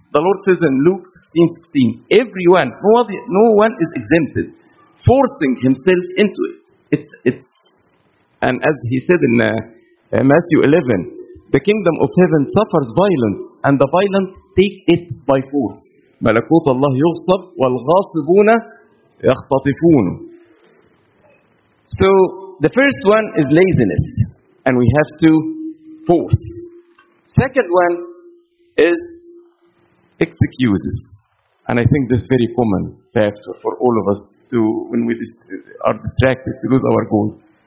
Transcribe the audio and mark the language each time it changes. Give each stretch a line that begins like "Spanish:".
English: The Lord says in Luke 16:16, everyone, no one is exempted, forcing himself into it. It's and as he said in Matthew 11, the kingdom of heaven suffers violence, and the violent take it by force.
Arabic: ملكوت الله يغصب والغاصبون يختطفون.
English: So the first one is laziness, and we have to force. Second one is excuses. And I think this is very common factor for all of us to, when we are distracted, to lose our goal.